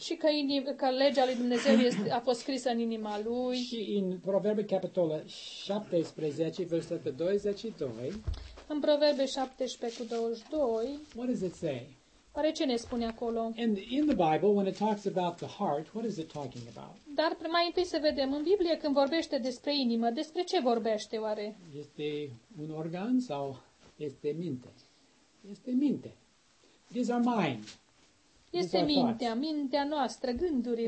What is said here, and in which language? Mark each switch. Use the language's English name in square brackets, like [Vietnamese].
[Romanian] Și că legea lui Dumnezeu a fost scrisă în inima lui. Și în Proverbe capitolul 17, versetul 22. În Proverbe 17 cu 22. [English] What does it say? [Romanian] Oare ce ne spune acolo? [English] And in the Bible, when it talks about the heart, what is it talking about? [Romanian] Dar mai întâi să vedem, în Biblie când vorbește despre inimă, despre ce vorbește oare? Este un organ sau este minte? Este minte. [English] It is our mind. [Romanian] Este mintea, mintea noastră, gândurile.